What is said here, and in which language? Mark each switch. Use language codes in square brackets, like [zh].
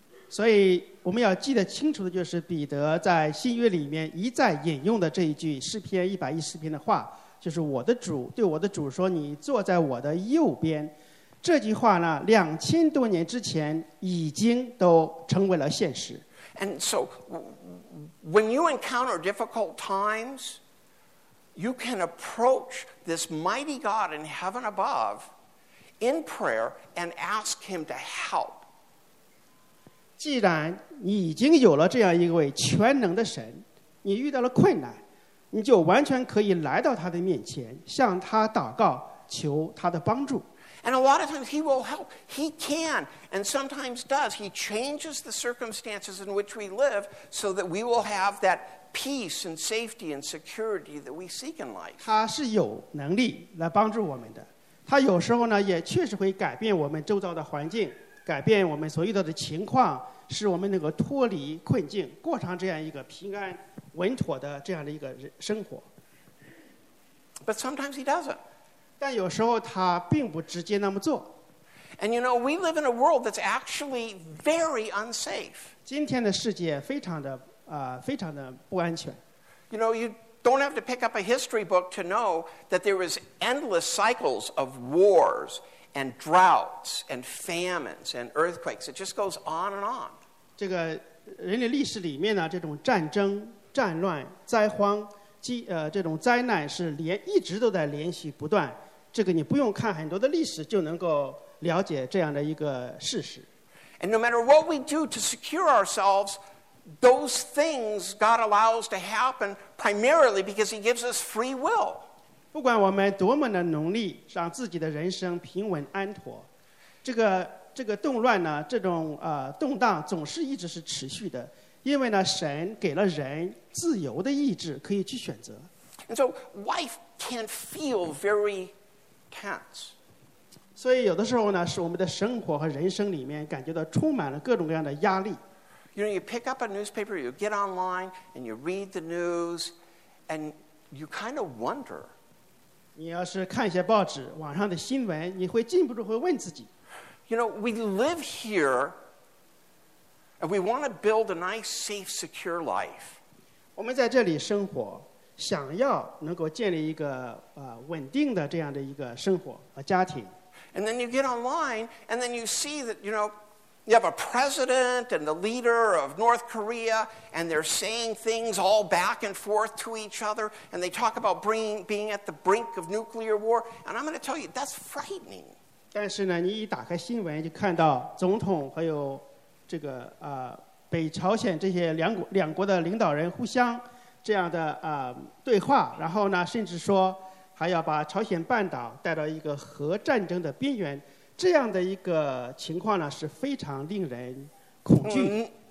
[zh] 所以我们要记得清楚的就是彼得在新约里面一再引用的这一句诗篇110篇的话，就是我的主对我的主说，你坐在我的右边。这句话呢，2000多年之前已经都成为了现实。 [en] And so, when you encounter difficult times, you can approach this mighty God in heaven above in prayer and ask him to help. [zh] 既然你已经有了这样一位全能的神，你遇到了困难，你就完全可以来到他的面前，向他祷告，求他的帮助。 [en] And a lot of times he will help. He can, and sometimes does. He changes the circumstances in which we live so that we will have that peace and safety and security that we seek in life. [zh] 他是有能力来帮助我们的。他有时候呢，也确实会改变我们周遭的环境，改变我们所遇到的情况，使我们能够脱离困境，过上这样一个平安稳妥的这样的一个生活。 [en] But sometimes he doesn't. [zh] 但有时候他并不直接那么做。 [en] And you know, we live in a world that's actually very unsafe. [zh] 今天的世界非常的非常的不安全。 [en] You know, you don't have to pick up a history book to know that there is endless cycles of wars and droughts and famines and earthquakes. It just goes on and on. [zh] 这个人类历史里面呢，这种战争、战乱、灾荒。这种灾难是一直都在连续不断，这个你不用看很多的历史就能够了解这样的一个事实。 [en] And no matter what we do to secure ourselves, those things God allows to happen primarily because he gives us free will. [zh] 不管我们多么的努力让自己的人生平稳安妥，这个动乱呢，这种动荡总是一直是持续的，因为呢，神给了人自由的意志，可以去选择。 [en] And so life can feel very tense. [zh] 所以有的时候呢，是我们的生活和人生里面感觉到充满了各种各样的压力。 [en] You know, you pick up a newspaper, you get online, and you read the news, and you kind of wonder. [zh] 你要是看一些报纸，网上的新闻，你会禁不住会问自己。 [en] You know, we live here. And we want to build a nice, safe, secure life. [zh] 我们在这里生活，想要能够建立一个稳定的这样的一个生活和家庭。 [en] And then you get online, and then you see that, you know, you have a president and the leader of North Korea, and they're saying things all back and forth to each other, and they talk about being at the brink of nuclear war. And I'm going to tell you, that's frightening. [zh] 但是呢，你一打开新闻，就看到总统还有这个北朝鲜这些两国的领导人互相这样的对话，然后呢，甚至说还要把朝鲜半岛带到一个核战争的边缘，这样的一个情况呢，是非常令人恐惧。